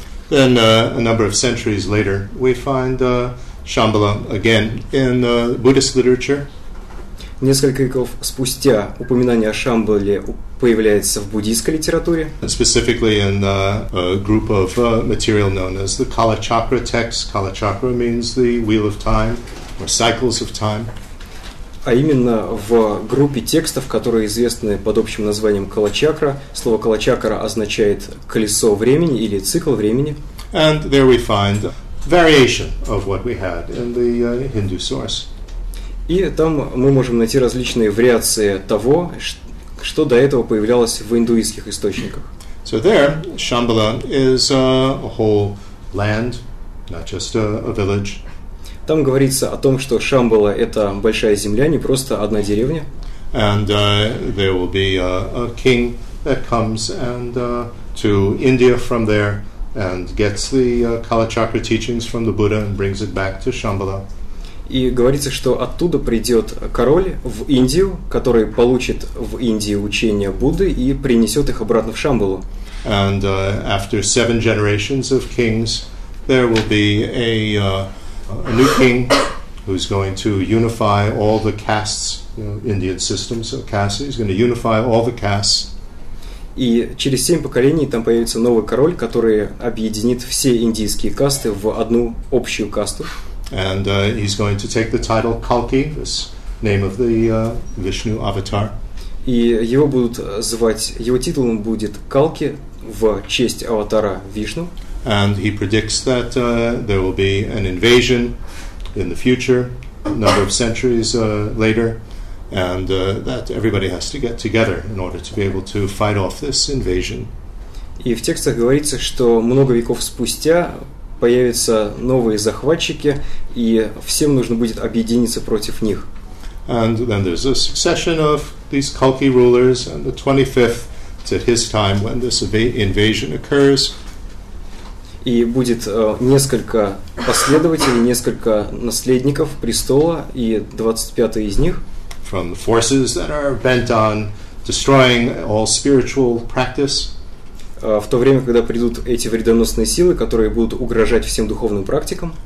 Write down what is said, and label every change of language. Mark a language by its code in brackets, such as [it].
[en] Then a number of centuries later, we find Шамбала again in Buddhist literature. [ru] Несколько веков спустя упоминание о Шамбале появляется в буддийской литературе. [en] Specifically in a group of material known as the Kalachakra texts. Kalachakra means the wheel of time or cycles of time. [ru] А именно в группе текстов, которые известны под общим названием Калачакра. Слово Калачакра означает колесо времени или цикл времени. [en] And there we find variation of what we had in the Hindu source. [ru] И там мы можем найти различные вариации того, что до этого появлялось в индуистских источниках. [en] So there, Шамбала is a whole land, not just a village. [ru] Там говорится о том, что Шамбала — это большая земля, не просто одна деревня. [en] And there will be a king that comes and to India from there and gets the Kalachakra teachings from the Buddha and brings it back to Шамбала. [ru] И говорится, что оттуда придет король в Индию, который получит в Индии учения Будды и принесет их обратно в Шамбалу. [en] And after seven generations of kings, there will be a new king who's going to unify all the castes, Indian systems of castes. He's going to unify all the castes. [ru] И через семь поколений там появится новый король, который объединит все индийские касты в одну общую касту. [en] And he's going to take the title Kalki, this name of the Vishnu avatar. [ru] И его будут звать, его титулом будет Калки в честь аватара Вишну. [en] And he predicts that there will be an invasion in the future, a number of centuries later, and that everybody has to get together in order to be able to fight off this invasion. [ru] И в текстах говорится, что много веков спустя появятся новые захватчики, и всем нужно будет объединиться против них. [en] And then there's a succession of these Kalki rulers, and the 25th is at his time when this invasion occurs. [ru] И будет несколько последователей, несколько наследников престола, и 25-й из них. [en] From the forces that are bent on destroying all spiritual practice. [ru] В то время, когда придут эти вредоносные силы, которые будут угрожать всем духовным практикам.